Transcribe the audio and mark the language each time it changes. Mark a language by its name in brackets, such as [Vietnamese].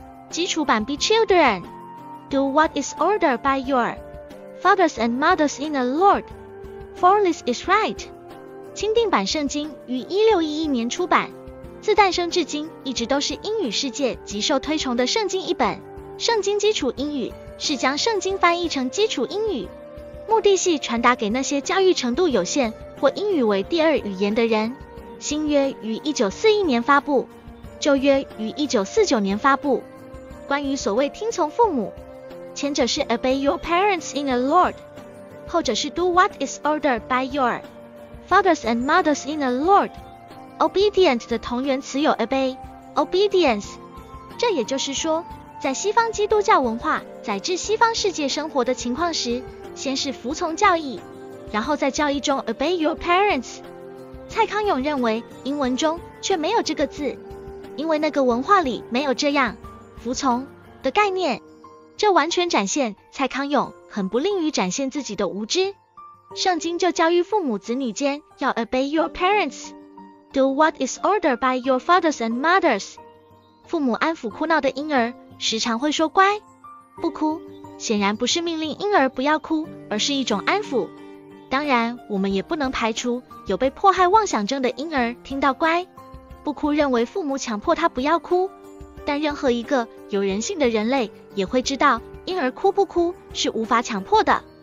[Chinese] 基础版 [English] Be Children, Do what is ordered by your fathers and mothers in the Lord, for this is right。 [Chinese] 钦定版圣经于1611年出版，自诞生至今一直都是英语世界极受推崇的圣经一本。圣经基础英语是将圣经翻译成基础英语，目的系传达给那些教育程度有限或英语为第二语言的人。新约于1941年发布，旧约于1949年发布。关于所谓听从父母，前者是 [English] obey your parents in the Lord， [Chinese] 后者是 [English] do what is ordered by your fathers and mothers in the Lord。 [Chinese] obedient 的同源词有 obey obedience， 这也就是说，在西方基督教文化载至西方世界生活的情况时，先是服从教义，然后在教义中 [English] obey your parents。 [Chinese] 蔡康永认为英文中却没有这个字，因为那个文化里没有这样服从的概念，这完全展现蔡康永很不吝于展现自己的无知。圣经就教育父母子女间要 [English] obey your parents， do what is ordered by your fathers and mothers。 [Chinese] 父母安抚哭闹的婴儿时常会说乖不哭，显然不是命令婴儿不要哭，而是一种安抚。当然我们也不能排除有被迫害妄想症的婴儿听到乖不哭认为父母强迫他不要哭，但任何一个有人性的人类也会知道婴儿哭不哭是无法强迫的。